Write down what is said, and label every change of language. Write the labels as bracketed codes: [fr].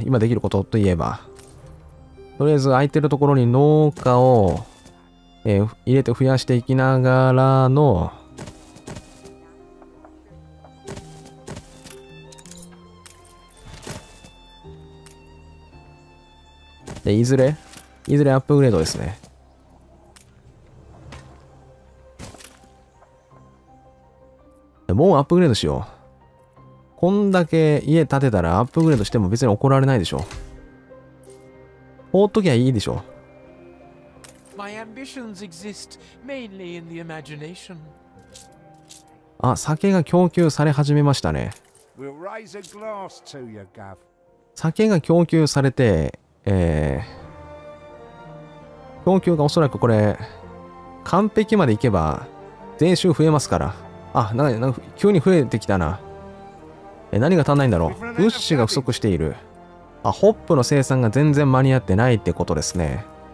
[ja] 今できることといえば。とりあえず空いてるところに農家を、入れて増やしていきながらの、で、いずれアップグレードですね。もうアップグレードしよう。こんだけ家建てたらアップグレードしても別に怒られないでしょ。放っときゃいいでしょ。 [en] My ambitions exist mainly in the imagination. [ja] あ、酒が供給され始めましたね。 [en] We'll raise a glass to you, Gav. [ja] 酒が供給されて、供給がおそらくこれ完璧までいけば税収増えますから。あ、なんか急に増えてきたな。何が足んないんだろう。物資が不足している。あ、ホップの生産が全然間に合ってないってことですね。